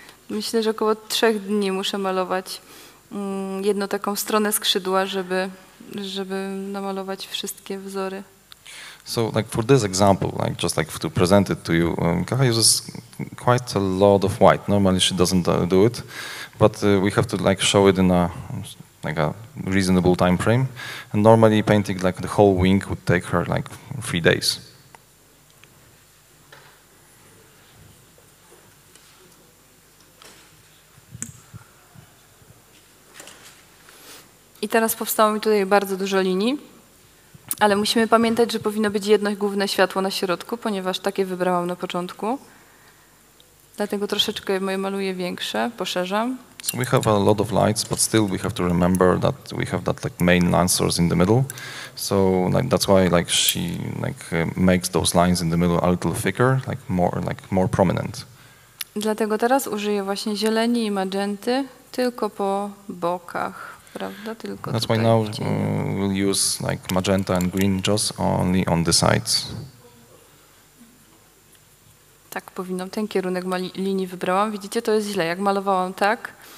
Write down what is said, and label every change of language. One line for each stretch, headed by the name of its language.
Polish: Myślę, że około 3 dni muszę malować jedną taką stronę skrzydła, żeby namalować wszystkie wzory.
English: So like for this example, like just like to present it to you, Kaha uses quite a lot of white. Normally she doesn't do it, but we have to like show it in a like a reasonable time frame. And normally painting like the whole wing would take her like 3 days.
Polish: I teraz powstało mi tutaj bardzo dużo linii, ale musimy pamiętać, że powinno być jedno główne światło na środku, ponieważ takie wybrałam na początku. Dlatego troszeczkę moje maluję większe, poszerzam.
English: So we have a lot of lights, but still we have to remember that we have that like main line source in the middle. So like that's why like she like makes those lines in the middle a little thicker, like more prominent.
Polish: Dlatego teraz użyję właśnie zieleni i magenty tylko po bokach, prawda? Tylko
English: that's
Polish: tutaj,
English: why now we'll use like magenta and green just only on the sides.
Polish: Tak powinnam, ten kierunek linii wybrałam. Widzicie, to jest źle, jak malowałam tak.